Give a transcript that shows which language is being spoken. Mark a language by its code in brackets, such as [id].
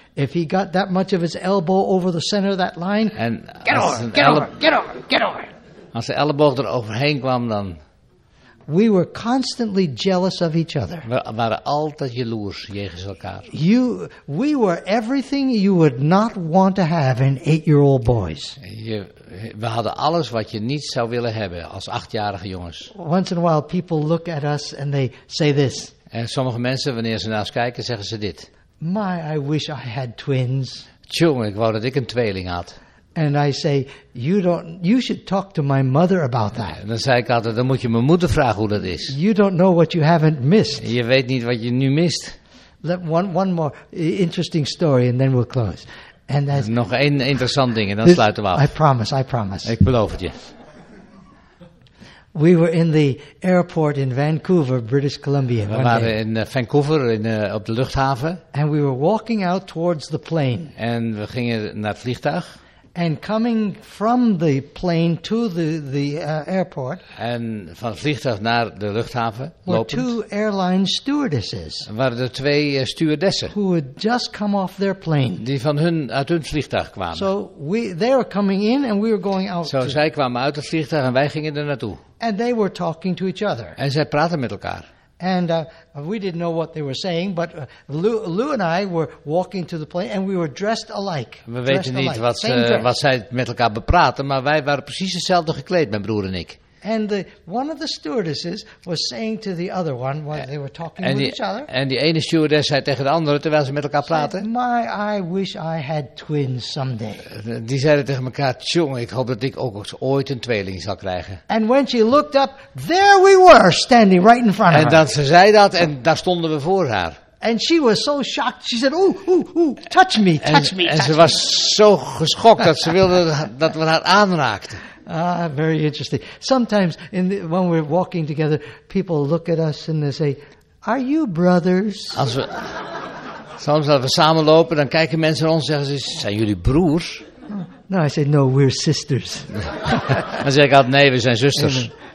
[en] If he got that much of his elbow over the center of that line, and get over. [nl] Als de elleboog er overheen kwam, dan. [en] We were constantly jealous of each other. [nl] We waren altijd jaloers jegens elkaar. [en] We were everything you would not want to have in 8-year-old boys. [nl] We hadden alles wat je niet zou willen hebben als 8-jarige jongens. [en] Once in a while people look at us and they say this. [nl] En sommige mensen wanneer ze naar ons kijken zeggen ze dit. [en] My, I wish I had twins. [nl] Tjonge, ik wou dat ik een tweeling had. [en] And I say, you should talk to my mother about that. [nl] En dan zei ik altijd, dan moet je mijn moeder vragen hoe dat is. [en] You don't know what you haven't missed. [nl] Je weet niet wat je nu mist. [en] One more interesting story and then we'll close. And that's [nl] nog één interessant ding en dan sluiten we af. [en] I promise. [nl] Ik beloof het je. [en] We were in the airport in Vancouver, British Columbia. [nl] We waren in Vancouver op de luchthaven. [en] And we were walking out towards the plane. [nl] En we gingen naar het vliegtuig. [en] And coming from the plane to the airport. [nl] En van het vliegtuig naar de luchthaven lopend. [en] Were two airline stewardesses. [nl] Waren er twee stewardessen. [en] Who had just come off their plane. [nl] Die van hun uit hun vliegtuig kwamen. [en] So they were coming in and we were going out. [nl] Zo, zij kwamen uit het vliegtuig en wij gingen er naartoe. [en] And they were talking to each other. [nl] En zij praten met elkaar. [en] And we didn't know what they were saying, but Lou and I were walking to the plane, and we were dressed alike. [nl] We weten niet wat zij met elkaar bepraten, maar wij waren precies hetzelfde gekleed, mijn broer en ik. [en] And one of the stewardesses was saying to the other one while they were talking with each other. [nl] En die ene stewardess zei tegen de andere terwijl ze met elkaar praten. [en] My, I wish I had twins someday. [nl] Die zeiden tegen elkaar, tjong, ik hoop dat ik ook ooit een tweeling zal krijgen. [en] And when she looked up, there we were, standing right in front of her. [nl] En dat ze zei dat en daar stonden we voor haar. [en] And she was so shocked. She said, touch me, touch me. [nl] En ze was zo geschokt dat ze wilde dat we haar aanraakten. [en] Ah, very interesting. Sometimes when we're walking together, people look at us and they say, "Are you brothers?" [nl] Soms als we samen lopen, dan kijken mensen naar ons en zeggen ze, "Zijn jullie broers?" [en] No, I say, "No, we're sisters." [nl] Dan zeg ik altijd, "Nee, we zijn zusters."